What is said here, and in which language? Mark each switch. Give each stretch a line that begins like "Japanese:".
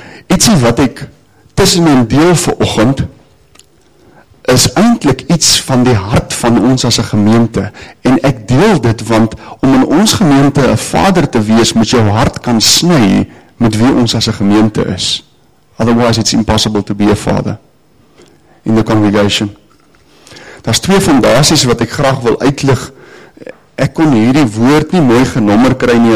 Afrikaans: Iets wat ek tussen my deel vir oggend is eintlik iets van die hart van ons as 'n gemeente. En ek deel dit, want om in ons gemeente 'n vader te wees, moet jou hart kan sny met wie ons as 'n gemeente is.
English: Otherwise it's impossible to be a father in the congregation.
Afrikaans: Daar's twee fondasies wat ek graag wil uitlig. Ek kon hierdie woord nie mooi genommer kry nie.